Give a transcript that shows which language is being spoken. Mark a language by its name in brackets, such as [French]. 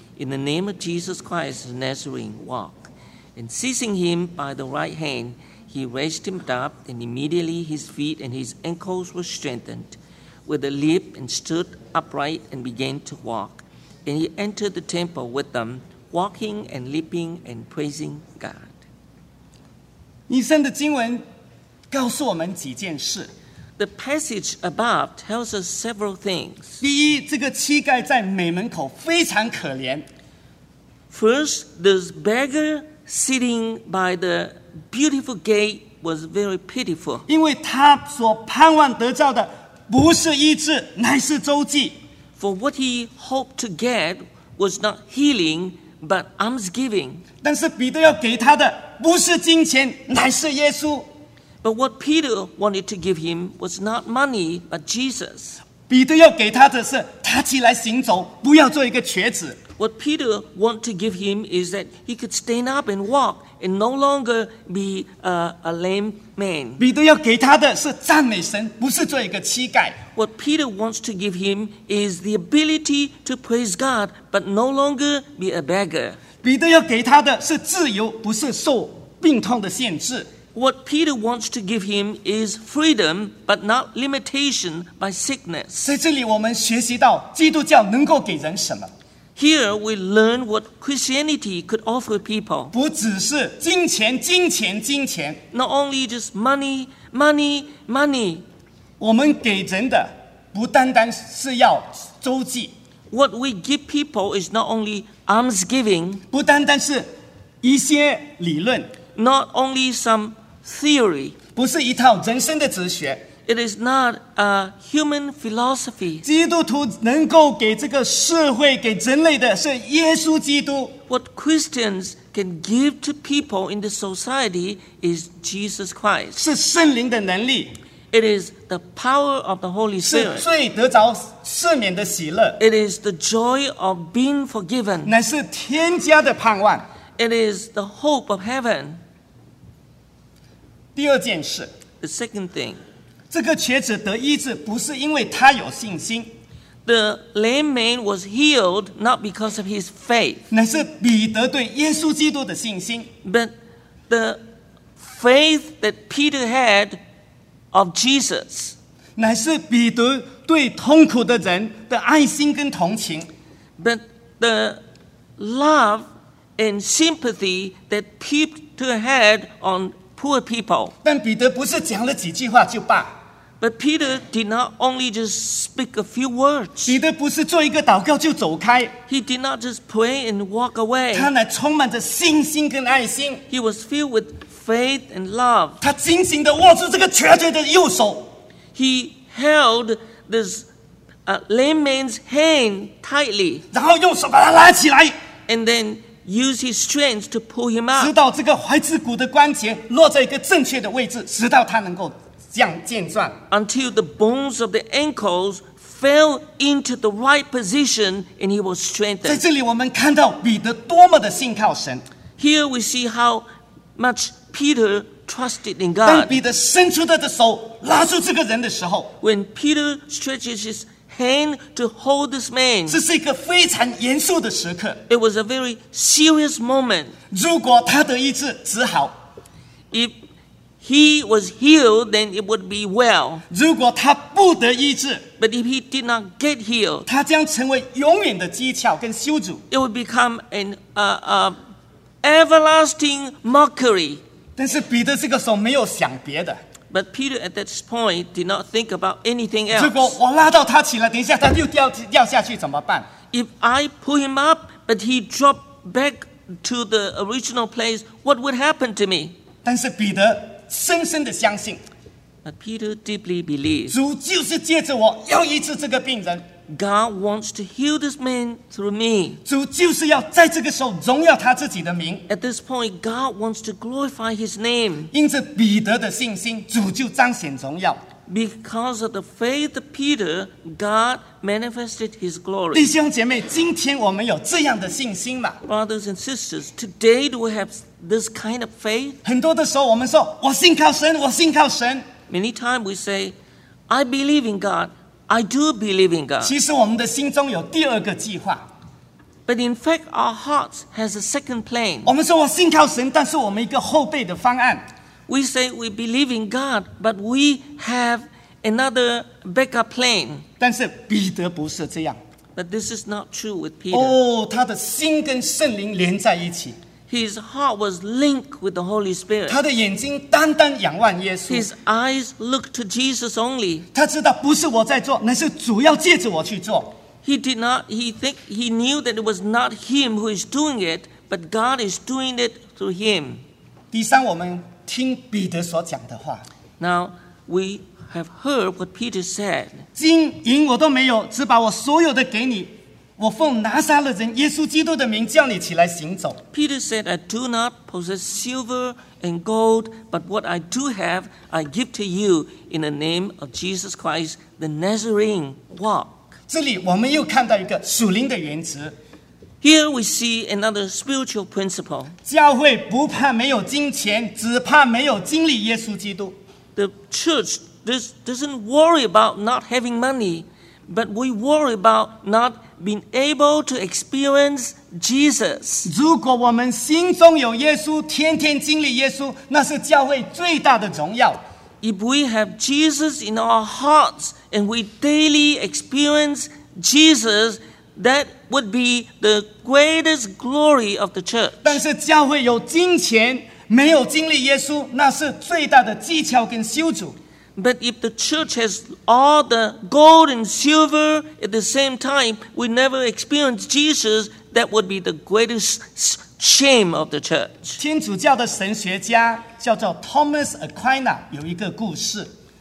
[English] In the name of Jesus Christ, Nazarene, walk." And seizing him by the right hand, he raised him up, and immediately his feet and his ankles were strengthened with a leap and stood upright and began to walk. And he entered the temple with them,Walking and leaping and praising God. [Chinese] 以上的经文告诉我们几件事。 [English] The passage above tells us several things. [Chinese] 第一，这个乞丐在美门口非常可怜。 [English] First, this beggar sitting by the beautiful gate was very pitiful. [Chinese] 因为他所盼望得到的不是医治，乃是周济。 [English] For what he hoped to get was not healing, but almsgiving. [Chinese] 但是彼得要给他的不是金钱，乃是耶稣。 [English] But what Peter wanted to give him was not money, but Jesus. [Chinese] 彼得要给他的是他起来行走，不要做一个瘸子。 [English] What Peter wanted to give him is that he could stand up and walk and no longer be a lame man. [Chinese] 彼得要给他的是赞美神，不是做一个乞丐。 [English] What Peter wants to give him is the ability to praise God, but no longer be a beggar. [Chinese] 彼得要给他的是自由，不是受病痛的限制。 [English] What Peter wants to give him is freedom, but not limitation by sickness. [Chinese] 在这里我们学习到基督教能够给人什么。 [English] Here we learn what Christianity could offer people. [Chinese] 不只是金钱，金钱，金钱。 [English] Not only just money, money, money. [Chinese] 我们给人的不单单是要周济。 [English] What we give people is not only almsgiving. [Chinese] 不单单是一些理论。 [English] Not only some theory. [Chinese] 不是一套人生的哲学。 [English] It is not a human philosophy. [Chinese] 基督徒能够给这个社会给人类的是耶稣基督。 [English] What Christians can give to people in the society is Jesus Christ. [Chinese] 是圣灵的能力。 [English] It is the power of the Holy Spirit. [Chinese] 是罪得着赦免的喜乐。 [English] It is the joy of being forgiven. [Chinese] 乃是添加的盼望。 [English] It is the hope of heaven. [Chinese] 第二件事。 [English] The second thing. [Chinese] 这个瘸子得医治不是因为他有信心。 [English] The lame man was healed not because of his faith. [Chinese] 乃是彼得对耶稣基督的信心。 [English] But the faith that Peter had of Jesus. [Chinese] 乃是彼得对痛苦的人的爱心跟同情。 [English] But the love and sympathy that Peter had on poor people. [Chinese] 但彼得不是讲了几句话就罢。 [English] But Peter did not only just speak a few words. [Chinese] 彼得不是做一个祷告就走开。 [English] He did not just pray and walk away. [Chinese] 他乃充满着信心跟爱心。 [English] He was filled with faith and love. [Chinese] 他紧紧地握住这个瘸子的右手。 [English] He held this lame man's hand tightly. [Chinese] 然后用手把他拉起来。 [English] And then use his strength to pull him up. [Chinese] 直到这个踝子骨的关节落在一个正确的位置，直到他能够。 [English] Until the bones of the ankles fell into the right position and he was strengthened. [Chinese] 在这里我们看到彼得多么的信靠神。 [English] Here we see how much Peter trusted in God. [Chinese] 当彼得伸出他的手拉住这个人的时候。 [English] When Peter stretches his hand to hold this man. [Chinese] 这是一个非常严肃的时刻。 [English] It was a very serious moment. [Chinese] 如果他得医治，只好。 [English] He was healed, then it would be well. [Chinese] 如果他不得医治, [English] but if he did not get healed, [Chinese] 他将成为永远的讥诮跟羞辱。 [English] It would become an everlasting mockery. [Chinese] 但是彼得这个时候没有想别的。 [English] But Peter at that point did not think about anything else. [Chinese] 如果我拉到他起来，等一下他又掉下去怎么办？ [English] If I pull him up, but he dropped back to the original place, what would happen to me? [Chinese] 但是彼得深深的相信。 [English] But Peter deeply believed. [Chinese] 主就是借着我要医治这个病人。 [English] God wants to heal this man through me. [Chinese] 主就是要在这个时候荣耀他自己的名。 [English] At this point, God wants to glorify his name. [Chinese] 因着彼得的信心，主就彰显荣耀。 [English] Because of the faith of Peter, God manifested his glory. [Chinese] 弟兄姐妹，今天我们有这样的信心吗？ [English] Brothers and sisters, today do we have this kind of faith? [Chinese] 很多的时候我们说，我信靠神，我信靠神。 [English] Many times we say, I believe in God, I do believe in God. [Chinese] 其实我们的心中有第二个计划。 [English] But in fact, our hearts has a second plan. [Chinese] 我们说我信靠神，但是我们一个后备的方案。 [English] We say we believe in God, but we have another backup plan. [Chinese] 但是彼得不是这样。 [English] But this is not true with Peter. [Chinese] 哦，他的心跟圣灵连在一起。 [English] His heart was linked with the Holy Spirit. [Chinese] 他的眼睛单单仰望耶稣。 [English] His eyes looked to Jesus only. [Chinese] 他知道不是我在做，乃是主要借着我去做。 [English] He did not. He knew that it was not him who is doing it, but God is doing it through him. [Chinese] 第三，我们。听彼得所讲的话。 [English] Now we have heard what Peter said. [Chinese] 金银我都没有，只把我所有的给你。我奉拿撒勒人耶稣基督的名叫你起来行走。 [English] Peter said, I do not possess silver and gold, but what I do have, I give to you in the name of Jesus Christ, the Nazarene. Walk. [Chinese] 这里我们又看到一个属灵的原则。 [English] Here we see another spiritual principle. [Chinese] 教会不怕没有金钱，只怕没有经历耶稣基督。 [English] The church doesn't worry about not having money, but we worry about not being able to experience Jesus. [Chinese] 如果我们心中有耶稣，天天经历耶稣，那是教会最大的荣耀。 [English] If we have Jesus in our hearts and we daily experience Jesus, that would be the greatest glory of the church. [Chinese] 但是教会有金钱，没有经历耶稣，那是最大的讥诮跟羞辱。 [English] But if the church has all the gold and silver at the same time, we never experience Jesus, that would be the greatest shame of the church. [Chinese] 天主教的神学家叫做 Thomas Aquinas 有一个故事。